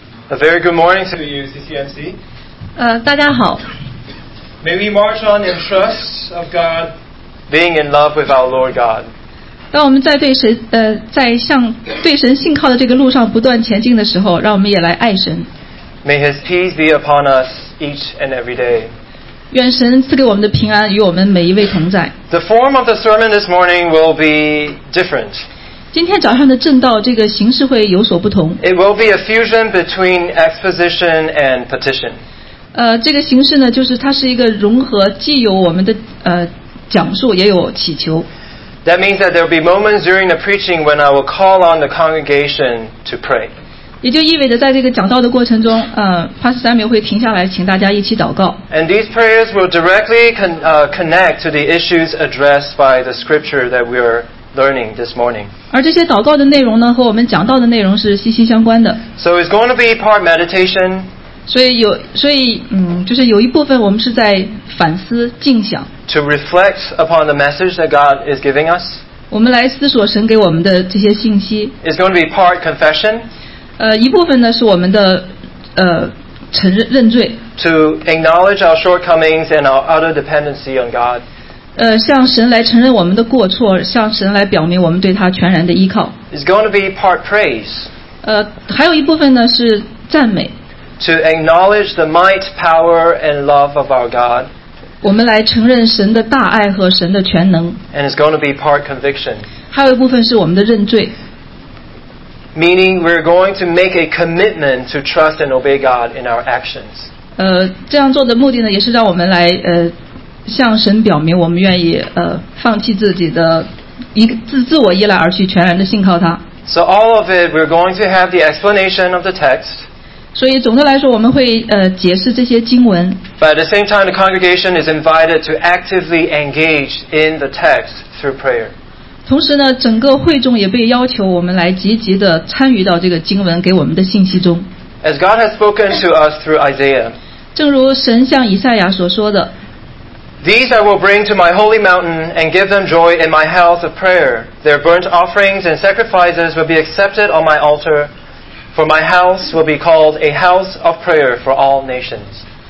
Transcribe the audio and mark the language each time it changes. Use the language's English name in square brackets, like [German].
[English] A very good morning to you, CCMC. [Chinese] 大家好。 [English] May we march on in trust of God, being in love with our Lord God. [Chinese] 当我们在对神在向对神信靠的这个路上不断前进的时候，让我们也来爱神。 [English] May His peace be upon us each and every day. [Chinese] 愿神赐给我们的平安与我们每一位同在。 [English] The form of the sermon this morning will be different. [Chinese] 今天早上的证道这个形式会有所不同。 [English] It will be a fusion between exposition and petition. [Chinese] 这个形式呢，就是它是一个融合，既有我们的讲述，也有祈求。 [English] That means that there will be moments during the preaching when I will call on the congregation to pray. [Chinese] 也就意味着在这个讲道的过程中，Pastor Samuel会停下来，请大家一起祷告。 [English] And these prayers will directly connect to the issues addressed by the scripture that we are. Learning this morning. [Chinese] 而这些祷告的内容呢，和我们讲到的内容是息息相关的。 [English] So it's going to be part meditation. [Chinese] 所以就是有一部分我们是在反思静想。 [English] To reflect upon the message that God is giving us. [Chinese] 我们来思索神给我们的这些信息。 [English] It's going to be part confession. [Chinese] 一部分呢是我们的承认认罪。 [English] To acknowledge our shortcomings and our utter dependency on God. [Chinese] 向神来承认我们的过错，向神来表明我们对他全然的依靠。 [English] It's going to be part praise. [Chinese] 还有一部分呢是赞美。 [English] To acknowledge the might, power, and love of our God. [Chinese] 我们来承认神的大爱和神的全能。 [English] And it's going to be part conviction. [Chinese] 还有一部分是我们的认罪。 [English] Meaning we're going to make a commitment to trust and obey God in our actions. [Chinese] 这样做的目的呢，也是让我们来向神表明我们愿意放弃自己的一个自我依赖而去全然的信靠他。 [English] So all of it, we're going to have the explanation of the text. [Chinese] 所以总的来说，我们会解释这些经文。 [English] But at the same time, the congregation is invited to actively engage in the text through prayer. [Chinese] 同时呢，整个会众也被要求我们来积极的参与到这个经文给我们的信息中。 [English] As God has spoken to us through Isaiah. [Chinese] 正如神向以赛亚所说的。 [English] These I will bring to my holy mountain and give them joy in my house of prayer. Their burnt offerings and sacrifices will be accepted on my altar, for my house will be called a house of prayer for all nations.